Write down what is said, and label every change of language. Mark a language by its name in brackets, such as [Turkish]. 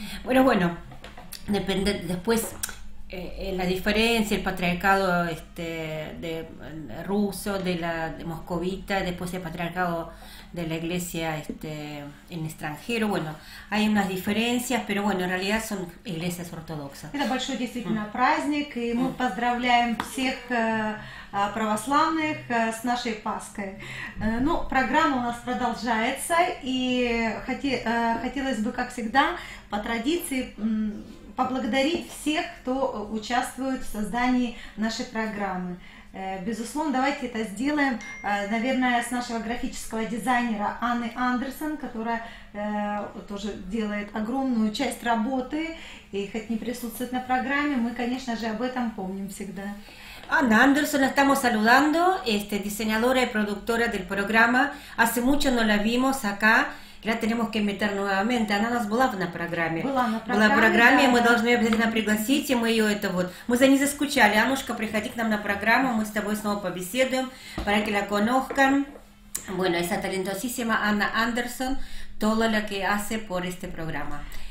[Spanish] Bueno, depende, después la diferencia, el patriarcado de ruso, de moscovita, después el patriarcado de la iglesia en extranjero, bueno, hay unas diferencias, pero bueno, en realidad son iglesias ortodoxas. [Russian] Это большой действительно праздник, и мы поздравляем всех православных с нашей Пасхой. Ну, программа у нас продолжается, и хотелось бы, как всегда, по традиции поблагодарить всех, кто участвует в создании нашей программы. Безусловно, давайте это сделаем, наверное, с нашего графического дизайнера Анны Андерсон, которая тоже делает огромную часть работы, и хоть не присутствует на программе, мы, конечно же, об этом помним всегда. [Spanish] Анна Андерсон, estamos saludando, diseñadora y productora del programa. Hace mucho no la vimos acá. La tenemos que invitar nuevamente. [Russian] Она у нас была на программе. Была на программе, да, мы должны ее обязательно пригласить, и мы ее это вот... Мы за ней заскучали. Анушка, приходи к нам на программу, мы с тобой снова побеседуем. [Spanish] Para que la conozcan. Bueno, esa talentosísima Анна Андерсон, todo lo que hace por este programa.